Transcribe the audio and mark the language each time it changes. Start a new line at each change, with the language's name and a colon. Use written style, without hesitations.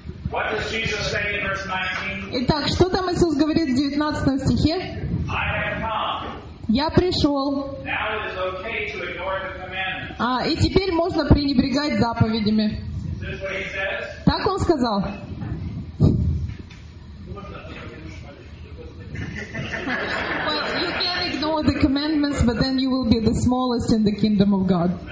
English: What does Jesus say in verse 19?
Russian: Итак, что там Иисус говорит в 19 стихе?
English: I have come.
Russian: Я пришел.
English: Now it is okay to ignore the commandments.
Russian: И теперь можно пренебрегать заповедями.
English: Is this what he says?
Russian: Так он сказал.
English: Well, you can ignore the commandments, but then you will be the smallest in the kingdom of God.